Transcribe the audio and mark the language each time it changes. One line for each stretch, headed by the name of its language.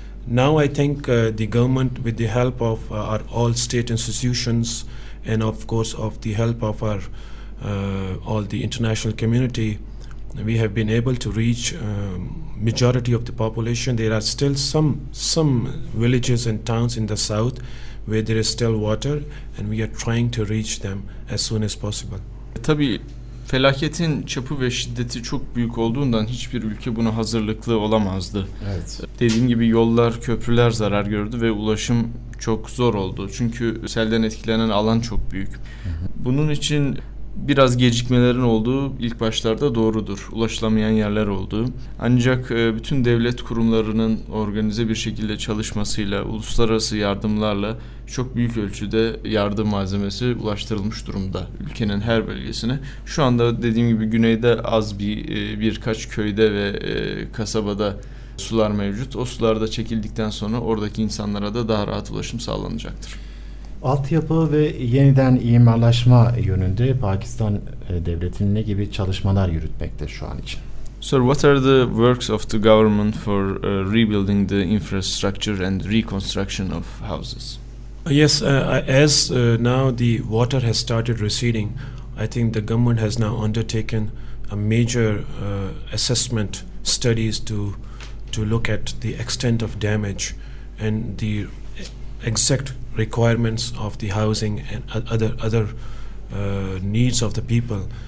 English: Now I think the government, with the help of our all state institutions, and of course of the help of our all the international community, we have been able to reach majority of the population. There are still some villages and towns in the south where there is still water, and we are trying to reach them as soon as possible.
Turkish: Tabii felaketin çapı ve şiddeti çok büyük olduğundan hiçbir ülke buna hazırlıklı olamazdı. Evet. Dediğim gibi yollar, köprüler zarar gördü ve ulaşım çok zor oldu. Çünkü selden etkilenen alan çok büyük. Bunun için biraz gecikmelerin olduğu ilk başlarda doğrudur. Ulaşılamayan yerler oldu. Ancak bütün devlet kurumlarının organize bir şekilde çalışmasıyla, uluslararası yardımlarla çok büyük ölçüde yardım malzemesi ulaştırılmış durumda ülkenin her bölgesine. Şu anda dediğim gibi güneyde az birkaç köyde ve kasabada sular mevcut. O sular da çekildikten sonra oradaki insanlara da daha rahat ulaşım sağlanacaktır. Altyapı ve yeniden imarlaşma yönünde Pakistan devletinin ne gibi çalışmalar yürütmekte şu an için?
English: So what are the works of the government for rebuilding the infrastructure and reconstruction of houses? Yes, as now the water has started receding, I think the government has now undertaken a major assessment studies to look at the extent of damage and the exact requirements of the housing and other needs of the people.